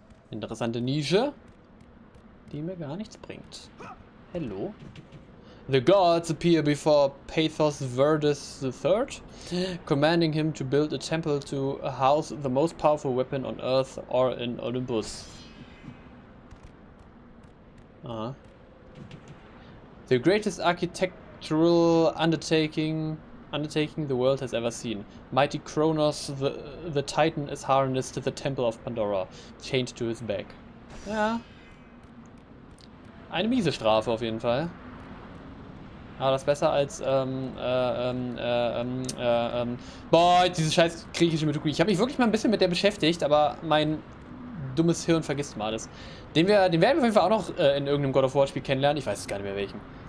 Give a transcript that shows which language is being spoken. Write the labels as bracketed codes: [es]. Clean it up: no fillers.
[de] Interessante Nische, die mir gar nichts bringt. [en] Hello. The gods appear before Pathos Verdes III, commanding him to build a temple to house the most powerful weapon on Earth or in Olympus. The greatest architectural undertaking the world has ever seen. Mighty Kronos, the Titan, is harnessed to the Temple of Pandora, chained to his back. [de] Ja. Eine miese Strafe auf jeden Fall. Aber das ist besser als, boah, diese scheiß griechische Mythologie. Ich habe mich wirklich mal ein bisschen mit der beschäftigt, aber mein dummes Hirn vergisst mal alles. Den werden wir auf jeden Fall auch noch in irgendeinem God of War Spiel kennenlernen. Ich weiß es gar nicht mehr welchen.